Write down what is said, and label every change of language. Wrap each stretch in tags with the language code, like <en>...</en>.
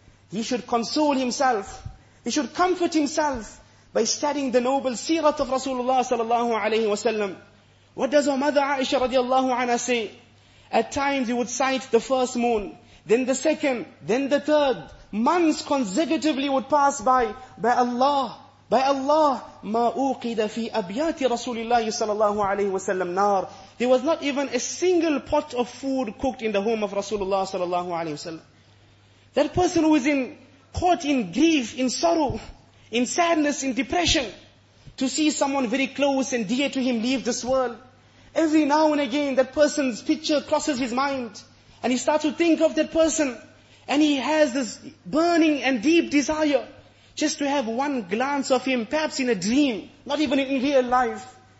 <en>He should console himself. He should comfort himself by studying the noble seerat of Rasulullah sallallahu alayhi wa sallam. What does our mother Aisha radiallahu anha say? At times he would sight the first moon, then the second, then the third. Months consecutively would pass by.</en> <ar>By Allah, مَا أُوْقِدَ فِي أَبْيَاتِ رَسُولِ اللَّهِ صَلَى اللَّهُ عَلَيْهِ وَسَلَّمْ نَارِ.</ar> <en>There was not even a single pot of food cooked in the home of Rasulullah صلى الله عليه وسلم. That person who is in caught in grief, in sorrow, in sadness, in depression, to see someone very close and dear to him leave this world. Every now and again, that person's picture crosses his mind, and he starts to think of that person, and he has this burning and deep desire just to have one glance of him, perhaps in a dream, not even in real life.</en>